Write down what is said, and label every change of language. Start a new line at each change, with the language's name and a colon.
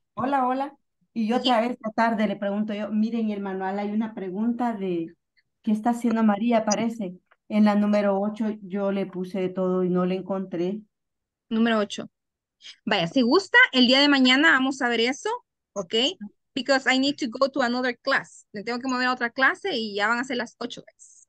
Spanish: Hola, hola. Y yo otra vez esta tarde le pregunto yo, miren el manual, hay una pregunta de ¿qué está haciendo María? Parece. En la número 8 yo le puse de todo y no le encontré. Número 8. Vaya, si gusta, el día de mañana vamos a ver eso.
English: Okay, because I need to go to another class.
Spanish: Me tengo que mover a otra clase y ya van a ser las 8, guys.